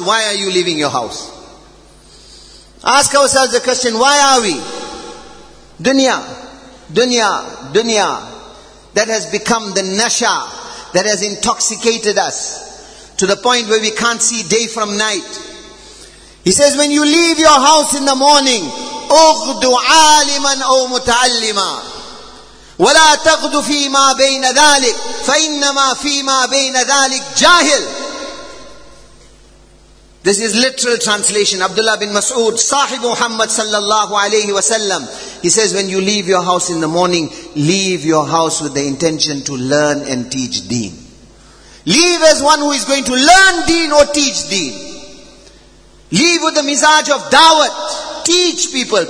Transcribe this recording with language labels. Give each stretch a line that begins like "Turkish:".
English: Why are you leaving your house? Ask ourselves the question, why are we? Dunya, dunya, dunya. That has become the nasha that has intoxicated us to the point where we can't see day from night. He says, when you leave your house in the morning,
Arabic: اغدو عالما أو متعلما ولا تغدو فيما بين ذلك فإنما فيما بين ذلك جاهل.
English: This is literal translation. Abdullah bin Mas'ud, Sahib Muhammad sallallahu alayhi wa sallam. He says, when you leave your house in the morning, leave your house with the intention to learn and teach deen. Leave as one who is going to learn deen or teach deen. Leave with the mizaj of dawat. Teach people.